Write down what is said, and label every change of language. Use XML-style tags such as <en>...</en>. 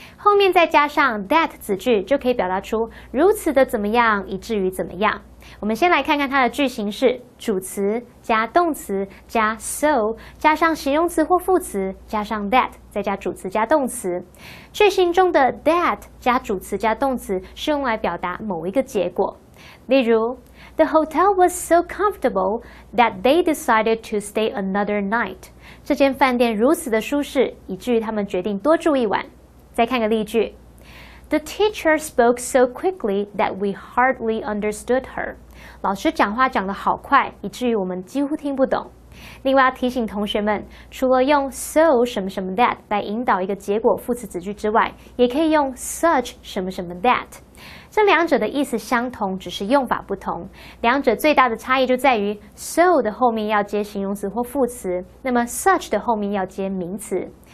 <zh>后面再加上 that 子句，就可以表达出如此的怎么样，以至于怎么样。我们先来看看它的句型是主词加动词加 so 加上形容词或副词加上 that 再加主词加动词。句型中的 that 加主词加动词是用来表达某一个结果。例如</zh> <en>，The hotel was so comfortable that they decided to stay another night。</en> <zh>这间饭店如此的舒适，以至于他们决定多住一晚。再看个例句。</zh> <en>The teacher spoke so quickly that we hardly understood her.</en> <zh>老师讲话讲得好快，以至于我们几乎听不懂。另外要提醒同学们，除了用 so 什么什么 that 来引导一个结果副词子句之外，也可以用 such 什么什么 that。这两者的意思相同，只是用法不同。两者最大的差异就在于 so 的后面要接形容词或副词，那么 such 的后面要接名词。</zh>